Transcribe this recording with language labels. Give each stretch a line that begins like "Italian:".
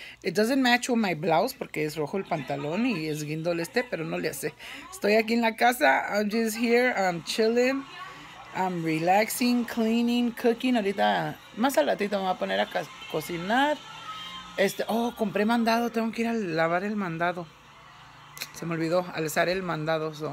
English: It doesn't match with my blouse
Spanish: porque es rojo el pantalón y es guindol este, pero no le hace. Estoy aquí en la casa,
English: I'm just here, I'm chilling. I'm relaxing, cleaning, cooking.
Spanish: Ahorita, más al ratito me voy a poner a cocinar. Compré mandado. Tengo que ir a lavar el mandado. Se me olvidó alzar el mandado.